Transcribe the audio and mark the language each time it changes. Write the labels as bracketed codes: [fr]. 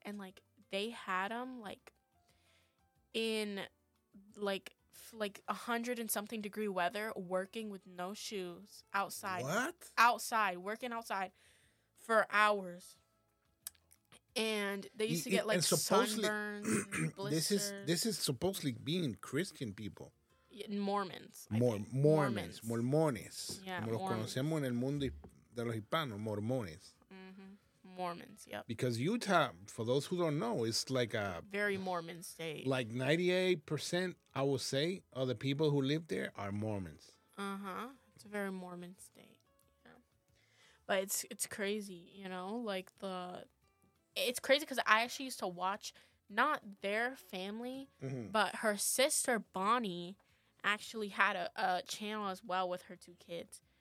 [en] And, like, they had them, like, in, like 100-and-something degree weather, working with no shoes outside. What? Outside. Working outside for hours. And they used to get like sunburns, blisters. This is supposedly being Christian people. Mormons. [es] Mormones. Yeah, Mormons. Lo conocemos en el mundo de los hispanos, Mormones. [en] Mm-hmm. Mormons, yep. Because Utah, for those who don't know, it's like a very Mormon state. Like 98%, I would say, of the people who live there are Mormons. Uh-huh. It's a very Mormon state. Yeah. But it's crazy, you know, like it's crazy because I actually used to watch, not their family, but her sister Bonnie actually had a channel as well with her two kids.